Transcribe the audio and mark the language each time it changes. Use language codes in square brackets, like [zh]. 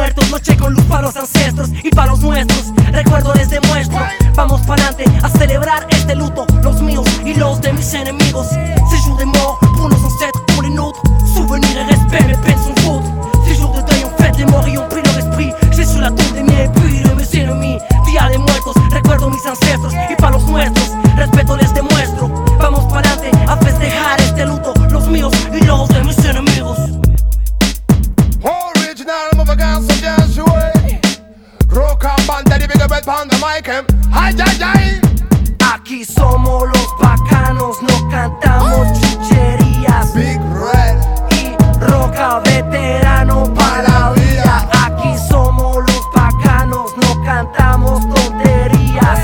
[es] Noche con luz para los ancestros y para los nuestros, recuerdo les demuestro. Vamos para adelante a celebrar este luto, los míos y los de mis enemigos. [fr] Six jours de mort pour nos ancêtres, pour les nôtres. Souvenir et respect, mes peines sont foutres. Six jours de deuil en fait, les morts y ont pris leur esprit. J'ai sur la tombe de mi et puis de mes ennemis. [es] Día de muertos, recuerdo mis ancestros y para los nuestros, respeto les demuestro. Vamos para adelante a festejar este luto, los míos y los de mis enemigos. [fr] Original, mon vagin, c'est bien joué. Rocambal, t'as dit, big up, pound the mic, hein. Aïe, aïe, aïe. [es] Aquí somos los bacanos, no cantamos chucherías. Big Red y Roca, veterano para la vida. Aquí somos los bacanos, no cantamos tonterías.